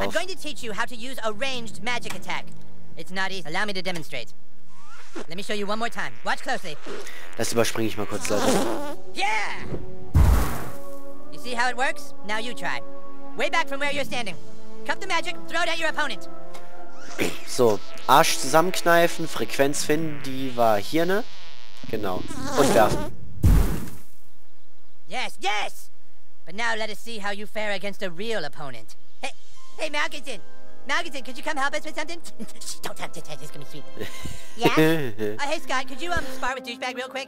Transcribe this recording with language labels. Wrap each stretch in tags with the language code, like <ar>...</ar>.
<en>I'm going to teach you how to use a ranged magic attack. It's not easy. Allow me to demonstrate. Let me show you one more time. Watch closely.</en> <de>Das überspringe ich mal kurz, Leute.</de> <en>Yeah! You see how it works? Now you try. Way back from where you're standing. Cut the magic, throw it at your opponent.</en> <de>So, Arsch zusammenkneifen, Frequenz finden, die war hier, ne? Genau. Und werfen.</de> <en>Yes, yes! But now let us see how you fare against a real opponent. Hey, hey, Malgazin! Malgazin, could you come help us with something? Don't have to touch, it's gonna be sweet. Yeah? hey, Scott, could you spar with Douchebag real quick?</en>